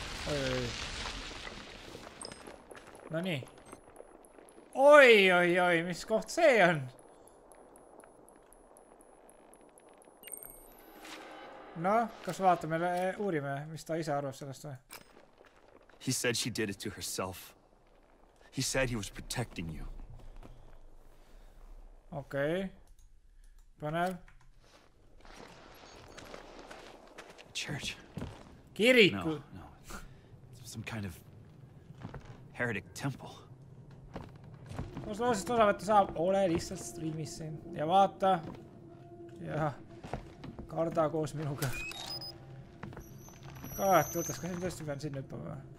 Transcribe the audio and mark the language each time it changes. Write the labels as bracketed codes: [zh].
[et] Oi. No nii. Oi, mis koht see on? Noh, kas vaatame, uurime, mis ta ise arvab sellest või? [en] He said she did it to herself. He said he was protecting you. [et] Okei. Põnev. [en] Church. [et] Kiriku. No. [en] Some kind of heretic temple. [et] Kus loosest osavõtta saab? Ole lihtsalt streamis siin. Ja vaata. Ja karda koos minuga. Kaat, võtas, kas siin tõesti pean sinna hüppama?